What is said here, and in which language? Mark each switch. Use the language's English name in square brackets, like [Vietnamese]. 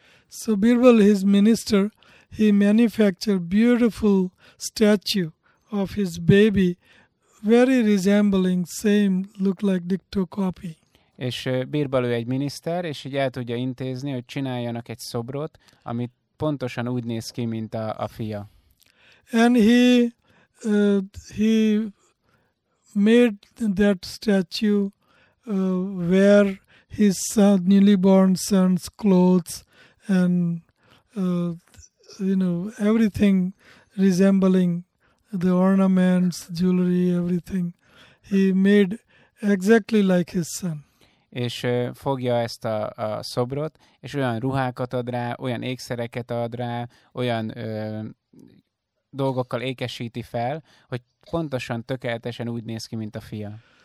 [English] So Birbal, his minister, he manufactured beautiful statue of his baby, very resembling, same, look like dicto copy. [Hungarian] És Birbal ő egy miniszter, és így el tudja intézni, hogy csináljanak egy szobrot, ami pontosan úgy néz ki, mint a fia. [English] And he made that statue wear his son, newly born son's clothes and you know, everything resembling the ornaments, jewelry, everything. He made exactly like his son. [Hungarian] És fogja ezt a szobrot, és olyan ruhákat ad rá, olyan ékszereket ad rá, olyan dolgokkal ékesíti fel, hogy pontosan, tökéletesen úgy néz ki, mint a fia.